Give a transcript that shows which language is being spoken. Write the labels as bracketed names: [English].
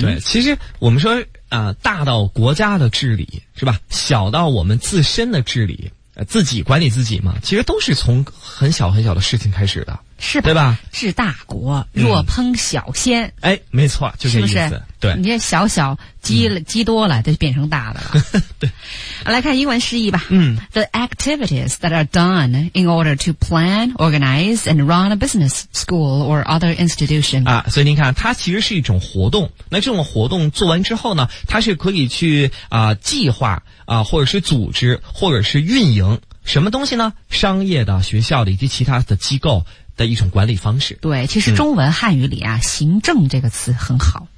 [Chinese] 对，其实我们说大到国家的治理是吧，小到我们自身的治理，自己管理自己嘛，其实都是从很小很小的事情开始的，是吧？对吧？治大国若烹小鲜，哎，没错，就这意思。是不是？对，你这小小积多了，就变成大的了。对，来看英文释义吧。嗯 [English] ，The activities that are done in order to plan, organize, and run a business, school, or other institution [Chinese] 啊，所以您看，它其实是一种活动。那这种活动做完之后呢，它是可以去计划或者是组织，或者是运营什么东西呢？商业的、学校的以及其他的机构的一种管理方式。对，其实中文汉语里啊，行政这个词很好。